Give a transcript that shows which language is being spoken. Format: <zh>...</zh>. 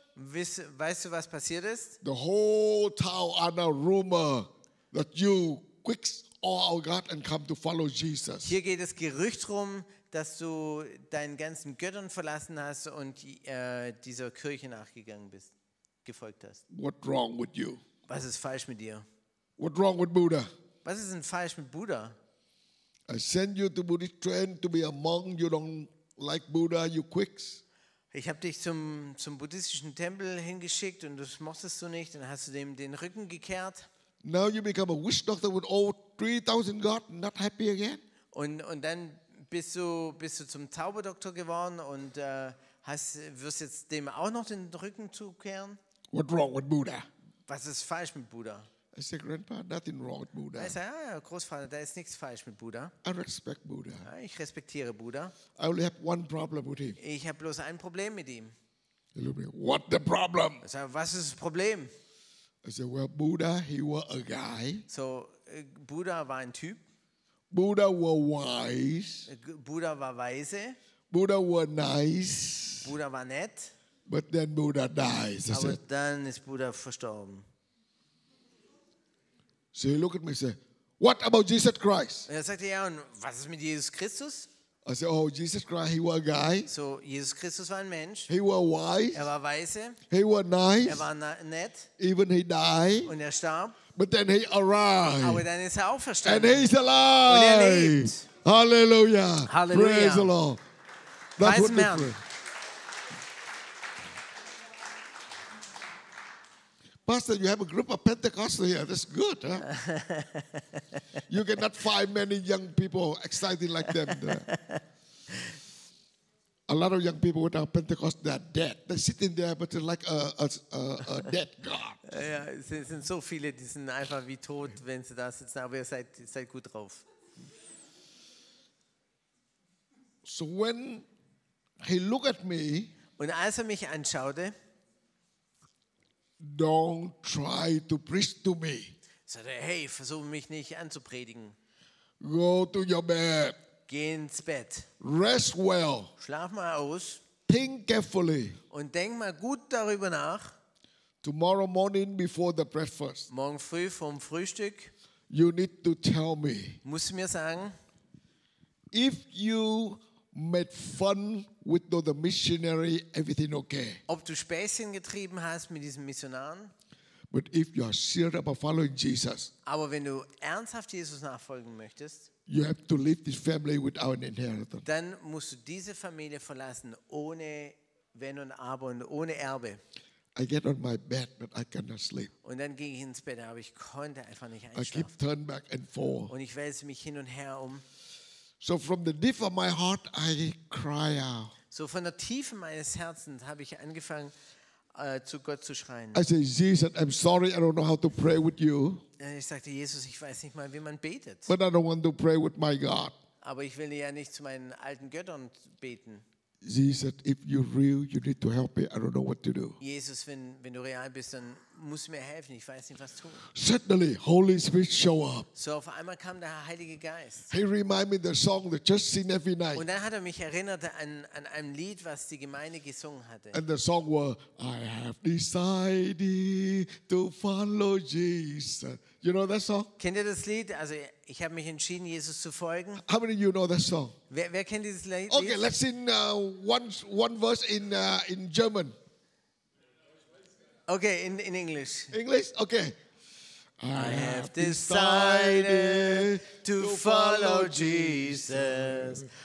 <de>Weißt du, was passiert ist?</de> <en>The whole town had a rumor that you quit all our God and come to follow Jesus.</en> <de>Hier geht das Gerücht rum, dass du deinen ganzen Göttern verlassen hast und dieser Kirche nachgegangen bist, gefolgt hast.</de> <en>What wrong with you?</en> <de>Was ist falsch mit dir?</de> <en>What wrong with Buddha?</en> <de>Was ist denn falsch mit Buddha?</de> <en>I send you to Buddhist train to be a monk. You don't like Buddha, you quicks.</en> <de>Ich habe dich zum buddhistischen Tempel hingeschickt und das mochtest du nicht. Dann hast du dem den Rücken gekehrt.</de> <en>Now you become a witch doctor with all 3,000 God, not happy again.</en> <de>Und dann bist du zum Zauberdoktor geworden und wirst jetzt dem auch noch den Rücken zukehren?</de> <en>What wrong with Buddha?</en> <de>Was ist falsch mit Buddha?</de> <en>I said, Grandpa, nothing wrong with Buddha.</en> <de>Ich sage, Großvater, da ist nichts falsch mit Buddha.</de> <en>I respect Buddha.</en> <de>Ja, ich respektiere Buddha.</de> <en>I only have one problem with him.</en> <de>Ich habe bloß ein Problem mit ihm.</de> <en>He looked at me, what the problem?</en> <de>Ich sage, was ist das Problem?</de> <en>I said, well, Buddha, he was a guy.</en> <de>So, Buddha war ein Typ. Buddha war wise. Buddha war weise. Buddha war nice. Buddha war nett. But then Buddha dies. Aber said, dann ist Buddha verstorben.</de> <en>So he looked at me and said, what about Jesus Christ?</en> <de>Und er sagte, ja, und was ist mit Jesus Christus?</de> <en>I said, oh, Jesus Christ, he was a guy.</en> <de>So, Jesus Christus war ein Mensch.</de> <en>He was wise.</en> <de>Er war weise.</de> <en>He was nice.</en> <de>Er war nett.</de> <en>Even he died.</en> <de>Und er starb.</de> <en>But then he arrived.</en> <de>Aber dann ist er auferstanden.</de> <en>And he's alive.</en> <de>Und er lebt.</de> <en>Hallelujah. Hallelujah. Praise the Lord. That's what it is. Pastor, you have a group of Pentecostals here. That's good. Huh? You cannot find many young people excited like them. A lot of young people with our Pentecost, they're dead. They're sitting there, but they're like a dead God.</en> <de>Ja, es sind so viele, die sind einfach wie tot, wenn sie da sitzen. Aber ihr seid gut drauf.</de> <en>So when he looked at me,</en> <de>und als er mich anschaute,</de> <en>don't try to preach to me.</en> <de>Sagte er, hey, versuche mich nicht anzupredigen.</de> <en>Go to your bed.</en> <de>Geh ins Bett.</de> <en>Rest well.</en> <de>Schlaf mal aus.</de> <en>Think carefully.</en> <de>Und denk mal gut darüber nach.</de> <en>Tomorrow morning before the breakfast.</en> <de>Morgen früh vom Frühstück.</de> <en>You need to tell me.</en> <de>Musst mir sagen.</de> <en>If you made fun with the missionary, everything okay?</en> <de>Ob du Späßchen getrieben hast mit diesen Missionaren?</de> <en>But if you are serious about following Jesus,</en> <de>aber wenn du ernsthaft Jesus nachfolgen möchtest,</de> <en>you have to leave this family without an inheritance.</en> <de>Dann musst du diese Familie verlassen ohne Wenn und Aber und ohne Erbe.</de> <en>I get on my bed, but I cannot sleep.</en> <de>Und dann ging ich ins Bett, aber ich konnte einfach nicht einschlafen.</de> <en>I keep turning back and forth.</en> <de>Und ich wälze mich hin und her um.</de> <en>So from the deep of my heart, I cry out.</en> <de>So von der Tiefe meines Herzens habe ich angefangen zu Gott zu schreien.</de> <en>I say, Jesus, I'm sorry, I don't know how to pray with you.</en> <de>Und ich sagte, Jesus, ich weiß nicht mal, wie man betet.</de> <en>But I don't want to pray with my God.</en> <de>Aber ich will ja nicht zu meinen alten Göttern beten.</de> <en>Jesus, if you're real, you need to help me. I don't know what to do.</en> <de>Jesus, wenn du real bist, dann musst du mir helfen. Ich weiß nicht, was tun.</de> <en>Suddenly, Holy Spirit show up.</en> <de>So auf einmal kam der Heilige Geist.</de> <en>He remind me the song that just sing every night.</en> <de>Und dann hat er mich erinnert an ein Lied, was die Gemeinde gesungen hatte.</de> <en>And the song was, I have decided to follow Jesus. You know that song?</en> <de>Kennt ihr das Lied? Also ich habe mich entschieden, Jesus zu folgen.</de> <en>How many of you know that song?</en> <de>Wer kennt dieses Lied?</de> <en>Okay, let's sing one verse in German. Okay, in English. English? Okay. I have decided to follow Jesus.</en>